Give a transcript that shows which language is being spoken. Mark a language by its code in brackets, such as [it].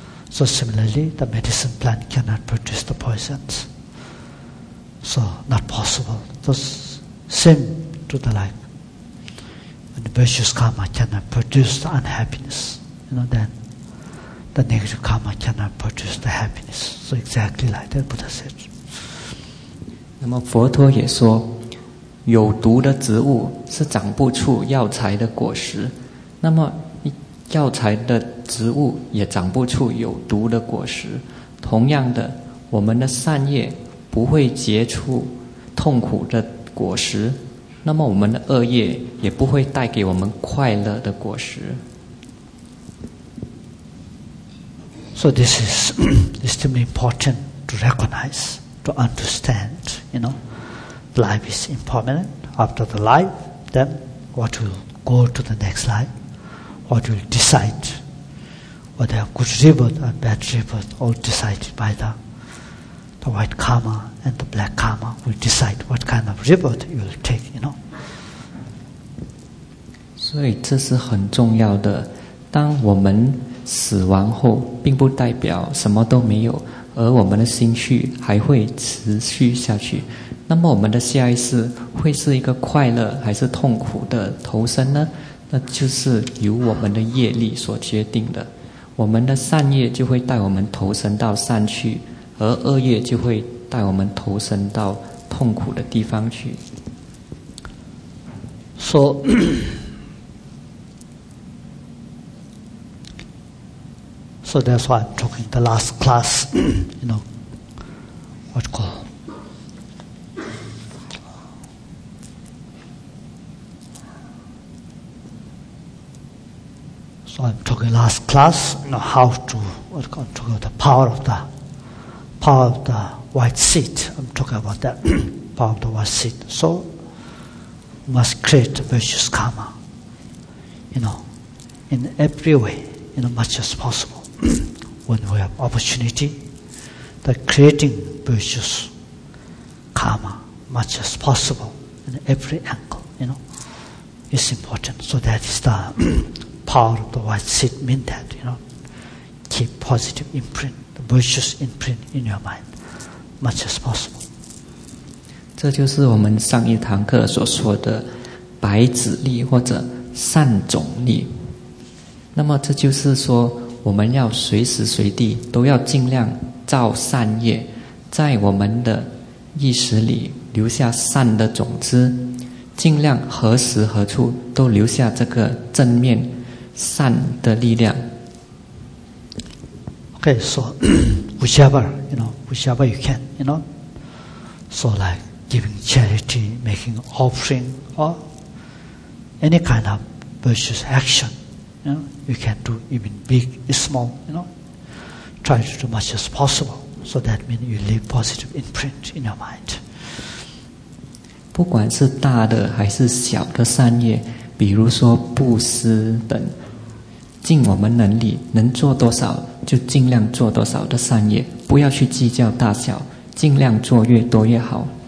[en] So similarly, the medicine plant cannot produce the poisons. So not possible. Those same to the like, when the virtuous karma cannot produce the unhappiness, you know, then the negative karma cannot produce the happiness. So exactly like that, Buddha said. [zh] 那么佛陀也说， 有毒的植物是长不出药材的果实，那么药材的植物也长不出有毒的果实。同样的，我们的善业不会结出痛苦的果实，那么我们的恶业也不会带给我们快乐的果实。 [en] So this is extremely important to recognize, to understand, you know. Life is impermanent. After the life, then what will go to the next life? What will decide? whether good rebirth or bad rebirth, all decided by the white karma and the black karma will decide what kind of rebirth you will take, you know. [zh] 所以这是很重要的。当我们死亡后，并不代表什么都没有，而我们的心绪还会持续下去。那么我们的下一世会是一个快乐还是痛苦的投生呢？那就是由我们的业力所决定的。我们的善业就会带我们投生到善去，而恶业就会带我们投生到痛苦的地方去。说、 [en] So that's why I'm talking the last class, you know, what's called So I'm talking last class, you know, how to, what's called, talk about the power of the white seed. I'm talking about that, power of the white seed. So, you must create virtuous karma, you know, in every way, you know, much as possible. When we have opportunity, the creating virtuous karma much as possible in every angle, you know, is important. So that is the power of the white seed, mean that, you know, keep positive imprint, the virtuous imprint in your mind much as possible. [zh] 这就是我们上一堂课所说的白子力或者善种力。那么这就是说我们要随时随地都要尽量造善业，在我们的意识里留下善的种子，尽量何时何处都留下这个正面善的力量。 [en] OK, so whichever, you know, whichever you can, you know, so like giving charity, making offering, or any kind of virtuous action,You know, you can do even big, small, you know. Try to do much as possible. So that means you leave positive imprint in your mind. [zh] 不管是大的还是小的善业，比如说布施等，尽我们能力，能做多少就尽量做多少的善业，不要去计较大小，尽量做越多越好。